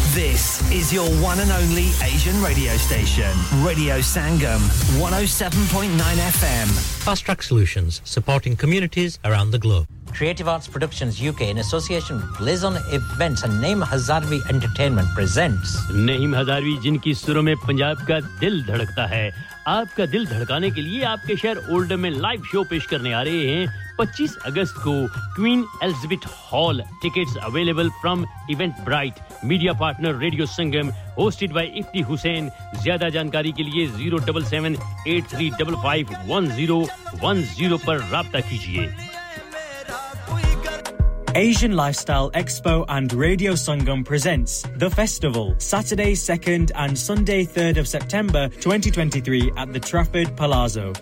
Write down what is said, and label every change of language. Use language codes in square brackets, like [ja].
[en] This is your one and only Asian radio station. Radio Sangam, 107.9 FM. Fast Track Solutions, supporting communities around the globe. Creative Arts Productions UK in association with Blizzon Events and Naeem Hazarvi Entertainment presents [hi] Naeem Hazarvi, jinki suron mein Punjab ka dil dhadakta hai. आपका दिल धड़काने के लिए आपके शहर Oldham में live show पेश करने आ रहे हैं 25 अगस्त को queen Elizabeth hall [en] tickets available from Eventbrite media partner radio Sangam hosted by Ifti Hussain [hi] ज्यादा जानकारी के लिए 07783551010 पर राब्ता कीजिए [en] Asian Lifestyle Expo and Radio Sangam presents The Festival, Saturday 2nd and Sunday 3rd of September 2023 at the Trafford Palazzo.